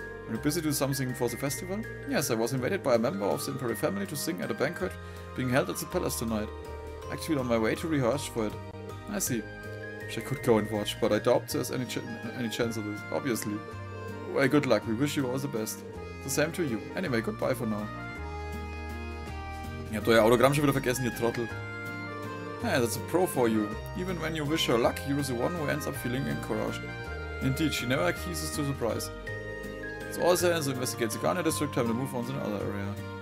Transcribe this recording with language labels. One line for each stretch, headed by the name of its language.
English: Are you busy doing something for the festival? Yes, I was invited by a member of the Imperial family to sing at a banquet being held at the palace tonight. Actually on my way to rehearse for it. I see. Wish I could go and watch, but I doubt there's any chance of this, obviously. Well, good luck. We wish you all the best. The same to you. Anyway, goodbye for now.
German: Ihr habt euer Autogramm schon wieder vergessen, ihr Trottel.
English: Hey, that's a pro for you. Even when you wish her luck, you're the one who ends up feeling encouraged. Indeed, she never ceases to surprise. So all the hands investigate the Garnet District, time to move on to another area.